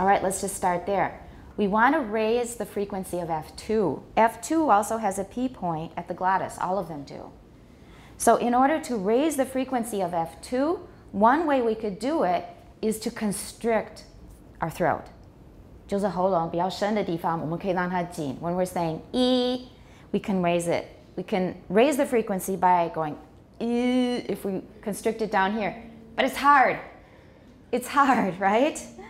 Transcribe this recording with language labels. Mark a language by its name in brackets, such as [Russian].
[English] All right, let's just start there. We want to raise the frequency of F2. F2 also has a P point at the glottis. All of them do. So in order to raise the frequency of F2, one way we could do it is to constrict our throat. [Chinese] 就是喉咙比较深的地方，我们可以让它紧. [English] When we're saying E, we can raise it. We can raise the frequency by going E if we constrict it down here. But it's hard. It's hard, right?